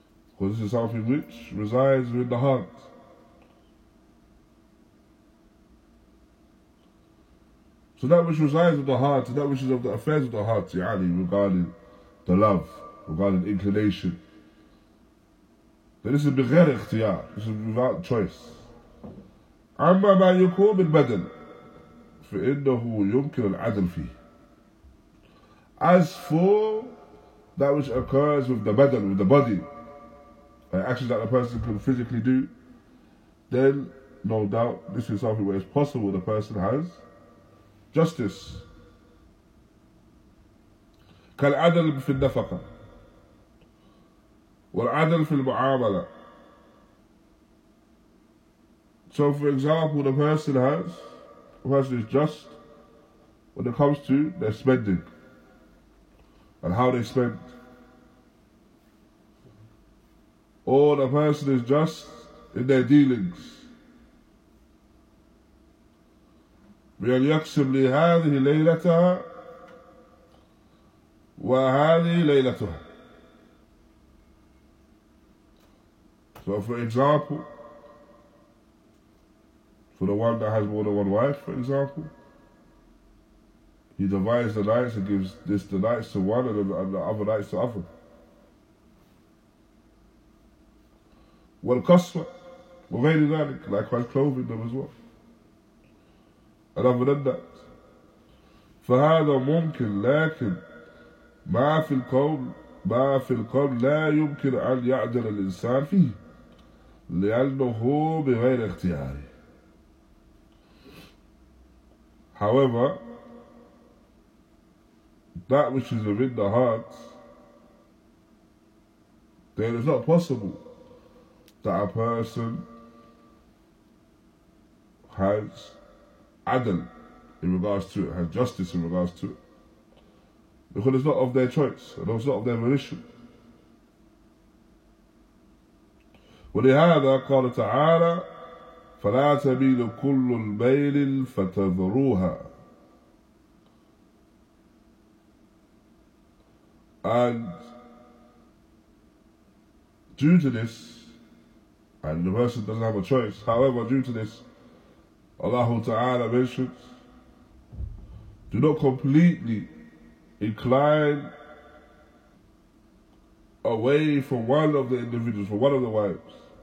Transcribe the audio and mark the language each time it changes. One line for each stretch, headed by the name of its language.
English: Because this is something which resides within the heart. So that which resides in the heart, that which is of the affairs of the heart,
Arabic: يعني,
English: regarding the love, regarding inclination. Then this is
Arabic: بغير اختيار,
English: this is without choice.
Arabic: أما ما يكون بالبدن فإنه يمكن العدل فيه.
English: As for that which occurs with the badan, with the body, an action that a person can physically do, then no doubt this is something where it's possible the person has justice.
Arabic: كالعدل في النفقة والعدل في المعاملة.
English: So for example, the person has, the person is just when it comes to their spending and how they spend. Or the person is just in their dealings.
Arabic: بأن يقسم لي هذه ليلتها وهذه ليلتها.
English: So for example, for the one that has more than one wife, for example, he divides the nights and gives this the nights to one and the other nights to other.
Arabic: والقصوة وغير ذلك,
English: likewise clothing them as well.
Arabic: And فهذا ممكن لكن ما في القول ما في القول لا يمكن أن يعدل الإنسان فيه لأنه بغير اختياره.
English: However, that which is within the heart, then it's not possible that a person has adl in regards to it, has justice in regards to it, because it's not of their choice and it's not of their volition.
Arabic: ولهذا قال تعالى فلا تميل كل الميل فتذروها.
English: And due to this, and the person doesn't have a choice, however, due to this, Allah Ta'ala mentions, do not completely incline away from one of the individuals, from one of the wives.